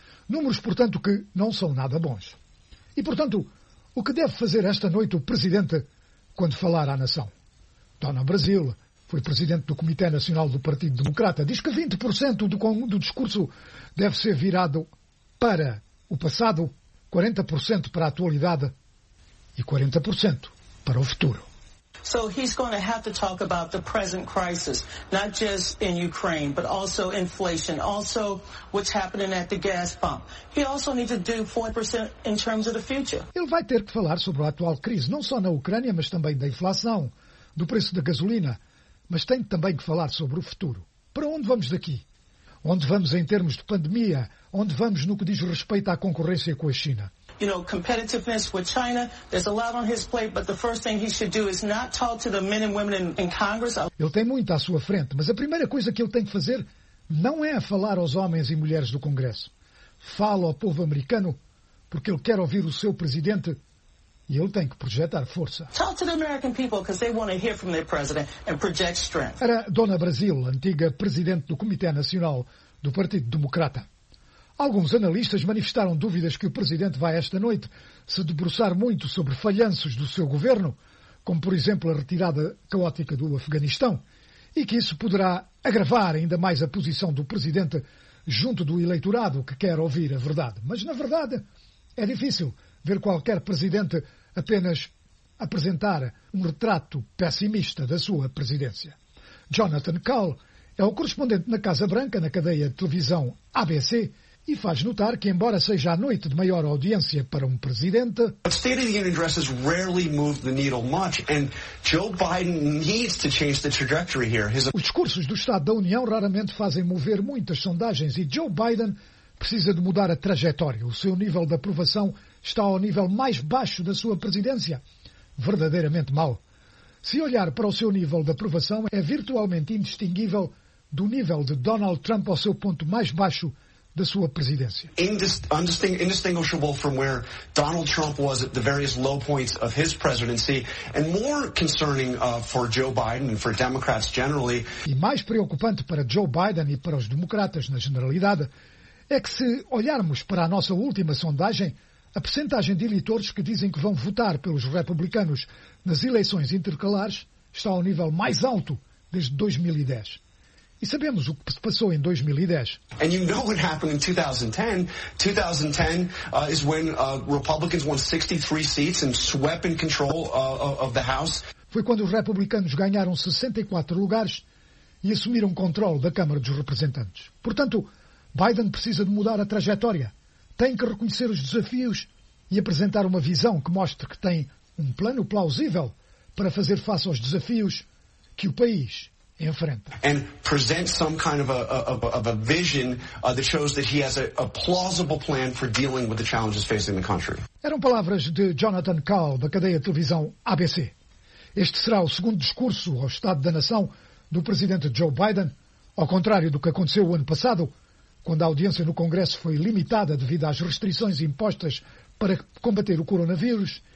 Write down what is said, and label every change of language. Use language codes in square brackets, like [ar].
[pt] Números, portanto, que não são nada bons. E, portanto, o que deve fazer esta noite o presidente quando falar à nação? Dona Brasil foi presidente do Comitê Nacional do Partido Democrata, diz que 20% do discurso deve ser virado para o passado, 40% para a atualidade e 40% para o futuro. [en] So he's going to have to talk about the present crisis, not just in Ukraine, but also inflation, also what's happening at the gas pump. He also needs to do 4% in terms of the future. [pt] Ele vai ter que falar sobre a atual crise, não só na Ucrânia, mas também da inflação, do preço da gasolina. Mas tem também que falar sobre o futuro. Para onde vamos daqui? Onde vamos em termos de pandemia? Onde vamos no que diz respeito à concorrência com a China? [en] You know, competitiveness with China, there's a lot on his plate, but the first thing he should do is not talk to the men and women in Congress. [pt] Ele tem muito à sua frente, mas a primeira coisa que ele tem que fazer não é falar aos homens e mulheres do Congresso. Fala ao povo americano, porque ele quer ouvir o seu presidente e ele tem que projetar força. [en] Talk to the American people because they want to hear from their president and project strength. [pt] Era Dona Brasil, antiga presidente do Comitê Nacional do Partido Democrata. Alguns analistas manifestaram dúvidas que o presidente vai esta noite se debruçar muito sobre falhanços do seu governo, como por exemplo a retirada caótica do Afeganistão, e que isso poderá agravar ainda mais a posição do presidente junto do eleitorado que quer ouvir a verdade. Mas, na verdade, é difícil ver qualquer presidente apenas apresentar um retrato pessimista da sua presidência. Jonathan Kahl é o correspondente na Casa Branca, na cadeia de televisão ABC, e faz notar que, embora seja a noite de maior audiência para um presidente, [en] the State of the Union addresses rarely move the needle much, and Joe Biden needs to change the trajectory here. [pt] Os discursos do Estado da União raramente fazem mover muitas sondagens e Joe Biden precisa de mudar a trajetória. O seu nível de aprovação está ao nível mais baixo da sua presidência. Verdadeiramente mau. Se olhar para o seu nível de aprovação, é virtualmente indistinguível do nível de Donald Trump ao seu ponto mais baixo da sua presidência. [en] Indistinguishable from where Donald Trump was at the various low points of his presidency, and more concerning for Joe Biden and for Democrats generally. [pt] E mais preocupante para Joe Biden e para os democratas na generalidade é que, se olharmos para a nossa última sondagem, a percentagem de eleitores que dizem que vão votar pelos republicanos nas eleições intercalares está ao nível mais alto desde 2010. E sabemos o que se passou em 2010. [en] And you know what happened in 2010. 2010 is when Republicans won 63 seats and swept in control of the House. [pt] Foi quando os republicanos ganharam 64 lugares e assumiram controle da Câmara dos Representantes. Portanto, Biden precisa de mudar a trajetória. Tem que reconhecer os desafios e apresentar uma visão que mostre que tem um plano plausível para fazer face aos desafios que o país enfrenta. [en] And present some kind of a vision that shows that he has a plausible plan for dealing with the challenges facing the country. [pt] Eram palavras de Jonathan Kahl, da cadeia de televisão ABC. Este será o segundo discurso ao Estado da Nação do presidente Joe Biden, ao contrário do que aconteceu o ano passado, quando a audiência no Congresso foi limitada devido às restrições impostas para combater o coronavírus.